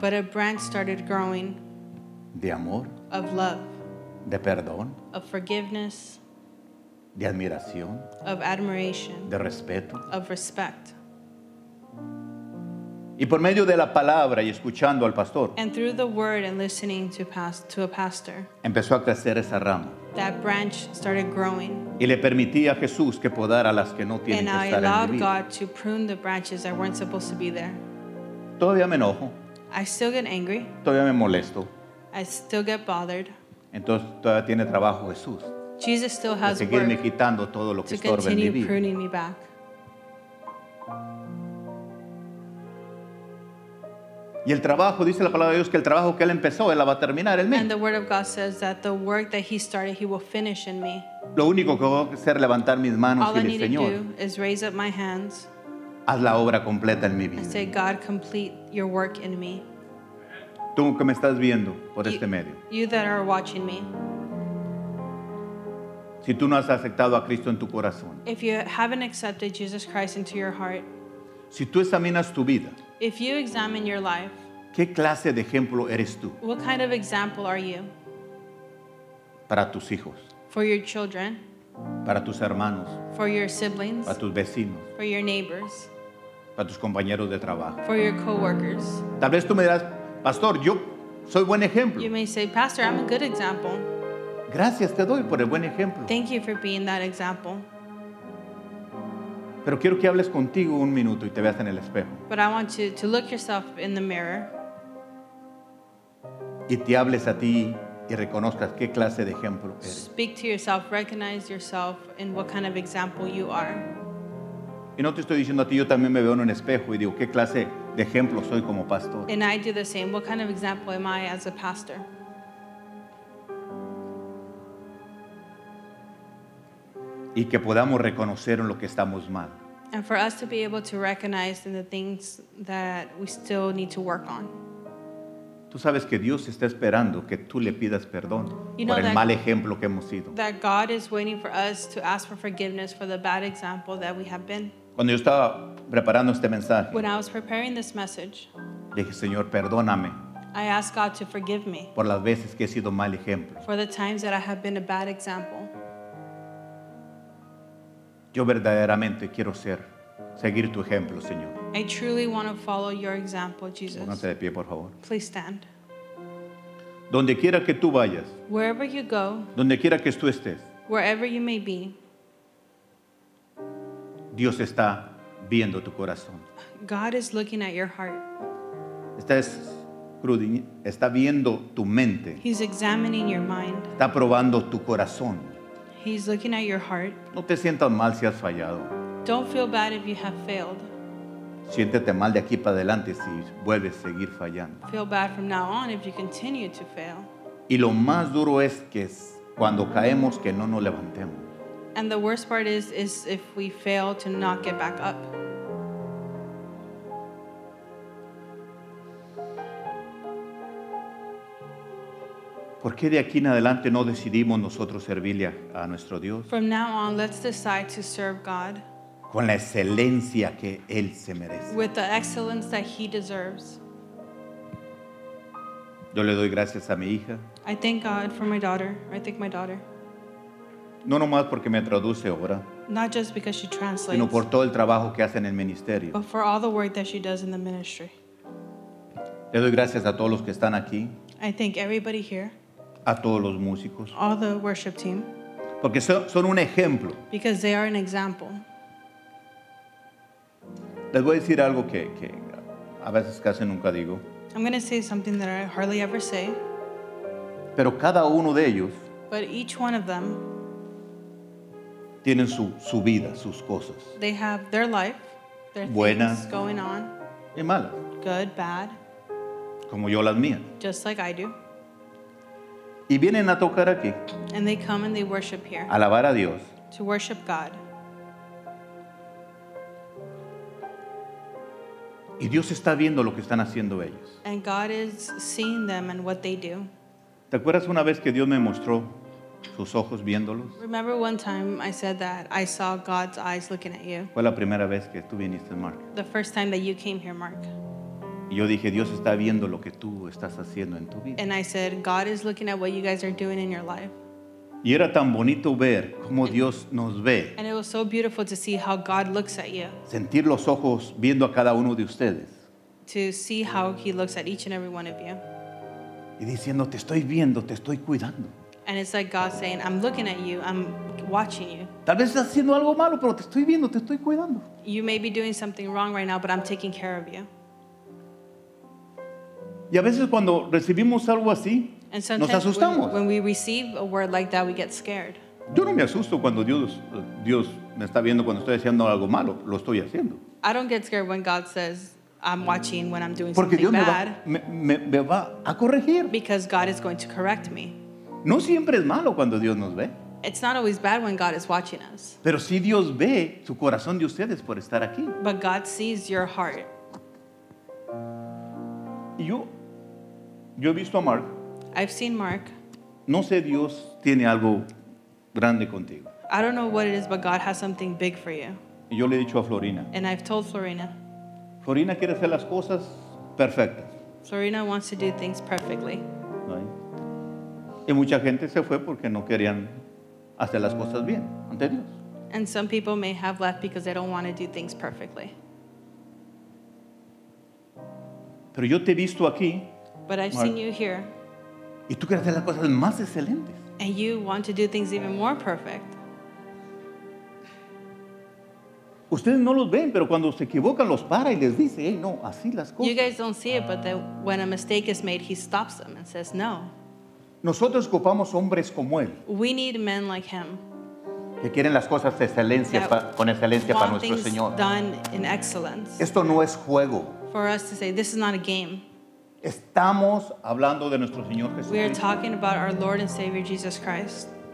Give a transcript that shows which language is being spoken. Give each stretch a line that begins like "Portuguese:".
English: But a branch started growing.
Spanish: De amor.
English: Of love.
Spanish: De perdón.
English: Of forgiveness.
Spanish: De admiración.
English: Of admiration.
Spanish: De respeto.
English: Of respect.
Spanish: Y por medio de la palabra y escuchando al pastor.
English: And through the word and listening to a pastor.
Spanish: Empezó a crecer esa rama.
English: That branch started growing.
Spanish: Y le permití a Jesús que podara las que no tienen que estar en mi vida.
English: And I allowed God to prune the branches that weren't supposed to be there.
Spanish: Todavía me enojo.
English: I still get angry.
Spanish: Todavía me molesto.
English: I still get bothered.
Spanish: Entonces todavía tiene trabajo Jesús.
English: Jesus still has work.
Spanish: De seguirme quitando todo lo que estorba en mi vida.
English: To continue pruning me back.
Spanish: Y el trabajo, dice la palabra de Dios, que el trabajo que él empezó, él la va a terminar en mí.
English: And the word of God says that the work that he started, he will finish in me.
Spanish: Lo único que voy a hacer es levantar mis manos
English: all
Spanish: y decir, Señor,
English: to do is raise up my hands,
Spanish: haz la obra completa en mi vida.
English: And say, God, complete your work in me.
Spanish: Tú que me estás viendo por este medio.
English: You that are watching me.
Spanish: Si tú no has aceptado a Cristo en tu corazón.
English: If you haven't accepted Jesus Christ into your heart.
Spanish: Si tú examinas tu vida.
English: If you examine your life,
Spanish: ¿qué clase de ejemplo eres tú?
English: What kind of example are you?
Spanish: Para tus hijos.
English: For your children.
Spanish: Para tus hermanos.
English: For your siblings.
Spanish: Para tus vecinos.
English: For your neighbors.
Spanish: Para tus compañeros de trabajo.
English: For your coworkers.
Spanish: Tal vez tú me dirás, pastor, yo soy buen ejemplo.
English: You may say, pastor, I'm a good example.
Spanish: Gracias te doy por el buen ejemplo.
English: Thank you for being that example.
Spanish: Pero quiero que hables contigo un minuto y te veas en el espejo.
English: But I want you to look yourself in the mirror.
Spanish: Y te hables a ti y reconozcas qué clase de ejemplo eres.
English: Speak to yourself, recognize yourself in what kind of example you are.
Spanish: Y no te estoy diciendo a ti, yo también me veo en un espejo y digo, ¿qué clase de ejemplo soy como pastor?
English: And I do the same. What kind of example am I as a pastor?
Spanish: Y que podamos reconocer en lo que estamos mal.
English: And for us to be able to recognize in the things that we still need to work on.
Spanish: Tú sabes que Dios está esperando que tú le pidas perdón por el mal ejemplo que hemos sido.
English: That God is waiting for us to ask for forgiveness for the bad example that we have been.
Spanish: Cuando yo estaba preparando este mensaje,
English: when I was preparing this message,
Spanish: dije, Señor, perdóname.
English: I asked God to forgive me
Spanish: por las veces que he sido mal ejemplo.
English: For the times that I have been a bad example.
Spanish: Yo verdaderamente quiero ser, seguir tu ejemplo, Señor.
English: I truly want to follow your example, Jesus.
Spanish: Pónganse de pie, por favor.
English: Please stand.
Spanish: Donde quiera que tú vayas.
English: Wherever you go.
Spanish: Donde quiera que tú estés.
English: Wherever you may be.
Spanish: Dios está viendo tu corazón.
English: God is looking at your heart.
Spanish: Está viendo tu mente.
English: He's examining your mind.
Spanish: Está probando tu corazón.
English: He's looking at your heart.
Spanish: No te sientas mal si has fallado.
English: Don't feel bad if you have failed.
Spanish: Siéntete mal de aquí para adelante si vuelves a seguir fallando.
English: Feel bad from now on if you continue to fail.
Spanish: Y lo más duro es que es cuando caemos que no nos levantemos.
English: And the worst part is if we fail to not get back up.
Spanish: ¿Por qué de aquí en adelante no decidimos nosotros servirle a nuestro Dios?
English: From now on, let's decide to serve God.
Spanish: Con la excelencia que él se merece.
English: With the excellence that he deserves.
Spanish: Yo le doy gracias a mi hija.
English: I thank God for my daughter. I thank my daughter.
Spanish: No nomás porque me traduce ahora.
English: Not just because she translates.
Spanish: Sino por todo el trabajo que hace en el ministerio.
English: But for all the work that she does in the ministry.
Spanish: Le doy gracias a todos los que están aquí.
English: I thank everybody here.
Spanish: A todos los músicos.
English: All the worship team.
Spanish: Porque son un ejemplo.
English: Because they are an example.
Spanish: Les voy a decir algo que a veces casi nunca digo.
English: I'm going to say something that I hardly ever say.
Spanish: Pero cada uno de ellos.
English: But each one of them.
Spanish: Tienen su vida, sus cosas.
English: They have their life, their
Spanish: buenas,
English: things going on.
Spanish: Y malas.
English: Good, bad.
Spanish: Como yo las mías.
English: Just like I do.
Spanish: Y vienen a tocar aquí.
English: And they come and they worship here.
Spanish: Alabar a Dios.
English: To worship God.
Spanish: Y Dios está viendo lo que están haciendo ellos.
English: And God is seeing them and what they do.
Spanish: ¿Te acuerdas una vez que Dios me mostró sus ojos viéndolos?
English: Remember one time I said that I saw God's eyes looking at you.
Spanish: Fue la primera vez que tú viniste, Mark.
English: The first time that you came here, Mark.
Spanish: Y yo dije, Dios está viendo lo que tú estás haciendo en tu vida.
English: And I said, God is looking at what you guys are doing in your life.
Spanish: Y era tan bonito ver cómo Dios nos ve.
English: And it was so beautiful to see how God looks at you.
Spanish: Sentir los ojos viendo a cada uno de ustedes.
English: To see how he looks at each and every one of you.
Spanish: Y diciendo, te estoy viendo, te estoy cuidando.
English: And it's like God saying, I'm looking at you, I'm watching you.
Spanish: Tal vez estás haciendo algo malo, pero te estoy viendo, te estoy cuidando.
English: You may be doing something wrong right now, but I'm taking care of you.
Spanish: Y a veces cuando recibimos algo así,
English: and sometimes when we receive a word like that, we get scared.
Spanish: Yo no me asusto cuando Dios me está viendo cuando estoy haciendo algo malo. Lo estoy haciendo.
English: I don't get scared when God says I'm watching when I'm doing
Spanish: porque
English: something
Spanish: Dios
English: bad.
Spanish: Me va a corregir.
English: Because God is going to correct me.
Spanish: No siempre es malo cuando Dios nos ve.
English: It's not always bad when God is watching us.
Spanish: Pero si Dios ve su corazón de ustedes por estar aquí.
English: But God sees your heart.
Spanish: Y yo he visto a Mark.
English: I've seen Mark.
Spanish: No sé, Dios tiene algo grande contigo.
English: I don't know what it is, but God has something big for you.
Spanish: Y yo le he dicho a Florina.
English: And I've told Florina.
Spanish: Florina quiere hacer las cosas perfectas.
English: Florina wants to do things perfectly.
Spanish: Y mucha gente se fue porque no querían hacer las cosas bien ante Dios.
English: And some people may have left because they don't want to do things perfectly.
Spanish: Pero yo te he visto aquí,
English: but I've Mark, seen you here.
Spanish: Y tú quieres hacer las cosas más excelentes.
English: And you want to do things even more perfect.
Spanish: Ustedes no los ven, pero cuando se equivocan los para y les dice, hey, no, así las cosas.
English: You guys don't see it, but that when a mistake is made, he stops them and says, no.
Spanish: Nosotros ocupamos hombres como él.
English: We need men like him.
Spanish: Que quieren las cosas de excelencia con excelencia para nuestro Señor.
English: Done in excellence.
Spanish: Esto no es juego.
English: For us to say, this is not a game.
Spanish: Estamos hablando de nuestro Señor Jesucristo.
English: We are talking about our Lord and Savior Jesus Christ.